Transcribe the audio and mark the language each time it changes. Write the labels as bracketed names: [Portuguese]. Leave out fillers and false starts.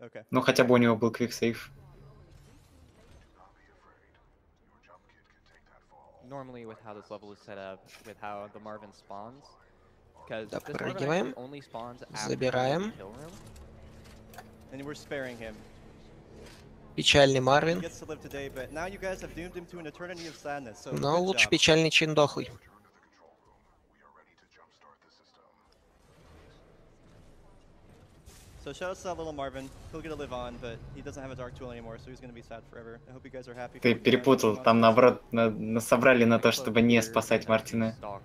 [Russian] Ну, хотя бы у него был квиксейв. [English] Normally with how this level is set up, with how the Marvin spawns, because Marvin only spawns after the kill room. And we're sparing him. [Russian] Печальный Марвин. [English] He gets to live today, but now you guys have doomed him to an eternity of sadness. So good job. [Russian] Но лучше печальный, чем дохлый. [English] So shout out to that little Marvin. He'll get to live on, but he doesn't have a dark tool anymore, so he's gonna be sad forever. I hope you guys are happy. [Russian] Ты перепутал. Там наоборот насобрали на то, чтобы не спасать Мартина.